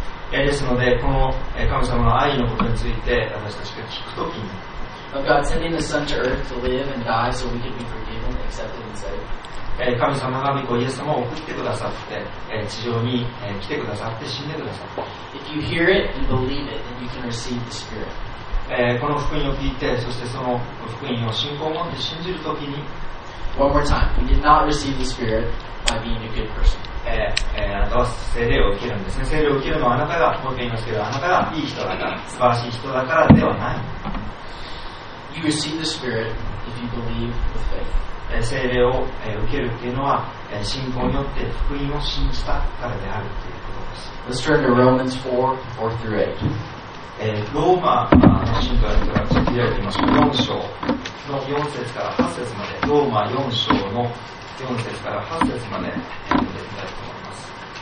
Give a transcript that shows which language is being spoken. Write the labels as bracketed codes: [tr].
[ja] ですので、この神様の愛のことについて私たちが聞くときに、 [en] God sending His Son to earth to live and die so we could be forgiven, accepted, and saved. [ja] 神様が御子イエス様を送ってくださって、地上に来てくださって、死んでくださって。 [en] If you hear it and believe it, then you can receive the Spirit. [ja] この福音を聞いて、そしてその福音を信仰を持って信じるときに、 [en] One more time, we did not receive the Spirit by being a good person. [ja] あなたは聖霊を受けるんですね。聖霊を受けるのはあなたが、もう言いますけど、あなたがいい人だから、素晴らしい人だからではない。 [en] You receive the Spirit if you believe with faith. [ja] 聖霊を受けるというのは、信仰によって福音を信じたからであるということです。 [en] Let's turn to Romans 4, 4 through 8. [ja] ローマの信徒から聞き上げましょう。4章の4節から8節まで、ローマ4章の4節から8節まで読んでいきたいと思います。